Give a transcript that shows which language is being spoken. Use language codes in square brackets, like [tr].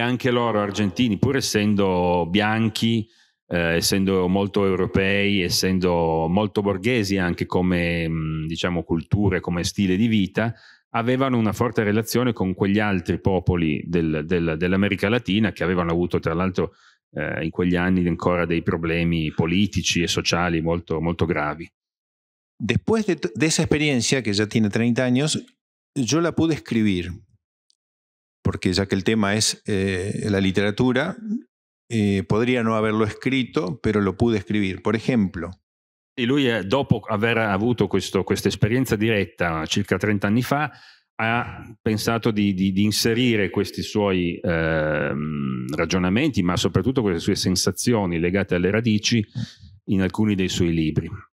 [it] loro argentini, pur essendo bianchi, essendo molto europei, essendo molto borghesi anche come diciamo cultura, come stile di vita, avevano una forte relazione con quegli altri popoli dell'America Latina, che avevano avuto tra l'altro in quegli anni ancora dei problemi politici e sociali molto, molto gravi. [es] Después de esa experiencia, que ya tiene 30 años, yo la pude escribir, porque ya que el tema es la literatura, podría no haberlo escrito, pero lo pude escribir. Por ejemplo, [it] e lui, dopo aver avuto questa esperienza diretta circa 30 anni fa, ha pensato di inserire questi suoi ragionamenti, ma soprattutto queste sue sensazioni legate alle radici, in alcuni dei suoi libri.